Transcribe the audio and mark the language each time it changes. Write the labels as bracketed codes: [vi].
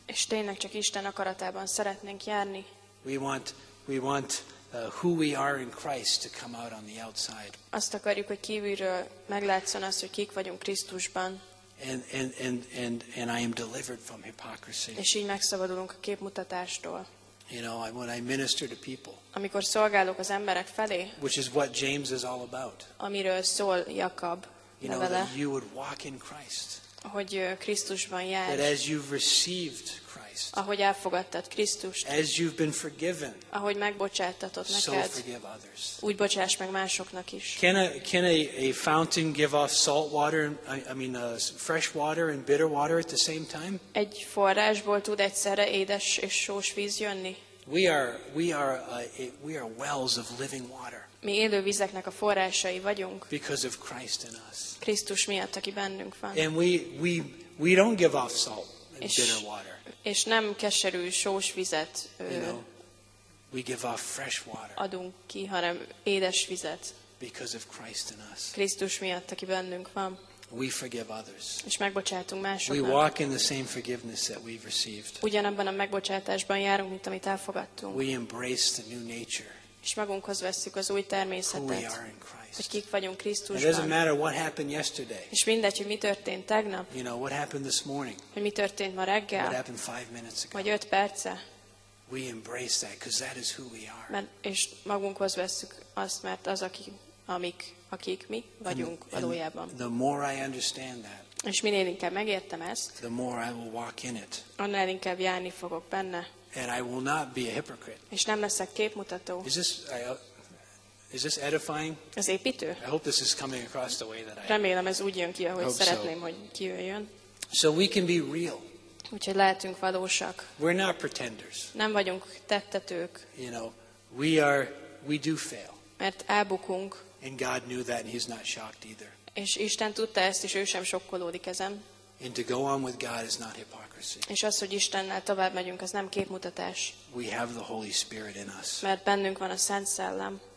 [hu] És tényleg csak Isten akaratában szeretnénk járni. [en] We want who we are in Christ to come out on the outside. [hu] Azt akarjuk, hogy kívülről meglátszon azt, hogy kik vagyunk Krisztusban. [en] And I am delivered from hypocrisy. [hu] És így megszabadulunk a képmutatástól. [en] You know, when I minister to people. [hu] Amikor szolgálok az emberek felé. [en] Which is what James is all about. [hu] Amiről szól Jakab. [en] You know, that you would walk in Christ. [hu] Hogy Krisztusban járj. [en] That as you've received Christ. [hu] Ahogy elfogadtad Krisztust. [en] As you've been forgiven. [hu] Ahogy megbocsátatott neked. [en] So forgive others. [hu] Úgy bocsáss meg másoknak is. [en] Can a fountain give off salt water and fresh water and bitter water at the same time? [hu] Egy forrásból tud egyszerre édes és sós víz jönni? [en] We are wells of living water. [hu] Mi élő vizeknek a forrásai vagyunk. [en] Because of Christ in us. [hu] Krisztus miatt, aki bennünk van. [en] And we don't give off salt and bitter water. [hu] És nem keserű sós vizet. [en] We give off fresh water. [hu] Adunk ki, hanem édes vizet. [en] Because of Christ in us. [hu] Krisztus miatt, aki bennünk van. [en] We forgive others. [hu] És megbocsátunk másoknak. [en] We walk in the same forgiveness that we've received. [hu] Ugyanabban a megbocsátásban járunk, mint amit elfogadtunk. [en] We embrace the new nature. [hu] És magunkhoz vesszük az új természetet. [en] Who we are in Christ. [hu] Hogy kik vagyunk Krisztusban. [en] It doesn't matter what happened yesterday. [hu] És mindegy, hogy mi történt tegnap. [en] You know, what happened this morning. [hu] Hogy mi történt ma reggel. [en] What happened 5 minutes ago. [hu] Vagy 5 perce. [en] We embrace that, because that is who we are. [hu] És magunkhoz vesszük azt, mert az, akik mi vagyunk valójában. [en] The more I understand that, [hu] és minél inkább megértem ezt, [en] the more I will walk in it. [hu] Annál inkább járni fogok benne. [en] And I will not be a hypocrite. [hu] És nem leszek képmutató. [en] Is this edifying? [hu] Ez építő? [en] I hope this is coming across the way that I. [hu] Remélem ez úgy jön ki, ahogy szeretném, hogy kijöjjön. [en] So we can be real. [hu] Úgyhogy lehetünk valósak. [en] We're not pretenders. [hu] Nem vagyunk tettetők. [en] You know, we do fail. [hu] Mert elbukunk. [en] And God knew that, and He's not shocked either. [hu] És Isten tudta ezt, és ő sem sokkolódik ezen. [en] And to go on with God is not hypocrisy. [hu] És az, hogy Istennel tovább megyünk, az nem képmutatás. [en] We have the Holy Spirit in us. [hu] Mert bennünk van a Szent Szellem.